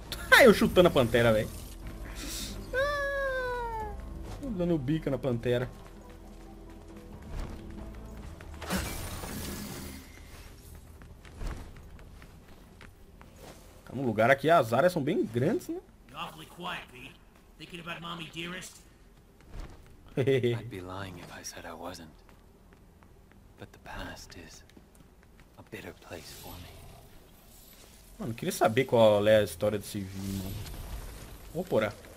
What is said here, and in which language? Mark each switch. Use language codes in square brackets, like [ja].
[pt] Ah, eu chutando a pantera, velho. Ah, dando o bico na pantera. Tá num lugar aqui, as áreas são bem grandes, né? [en] Awfully quiet, Pete. Thinking about mommy dearest. I'd be lying if I said I wasn't. But the past is a bitter place for me. [pt] Mano, queria saber qual é a história desse vinho, mano. Vou porar.